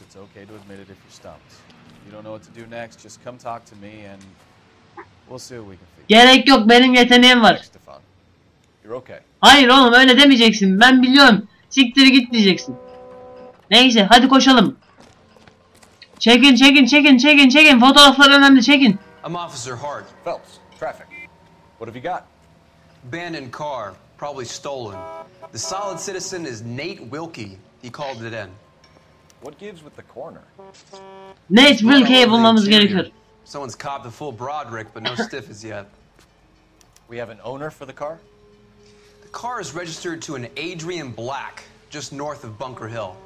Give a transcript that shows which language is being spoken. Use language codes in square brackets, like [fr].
[en] It's okay to admit it if you're stumped. You don't know what to do next. Just come talk to me and we'll see what we can figure. [tr] Gerek yok, benim yeteneğim var. [en] You're okay. [tr] Hayır oğlum, öyle demeyeceksin. Ben biliyorum. Siktir git diyeceksin. Neyse, hadi koşalım. Çekin, çekin, çekin, çekin, çekin. Fotoğraflar önemli, çekin. [en] I'm Officer Hart. Phelps. Traffic. What have you got? Abandoned car, probably stolen. The solid citizen is Nate Wilkie. He called it in. What gives with the corner? [tr] Nate Wilkie bulmamız gerekir. [en] Someone's copped the full Broderick, but no stiff as yet. We have an owner for the car? The car is registered to an Adrian Black, just north of Bunker Hill.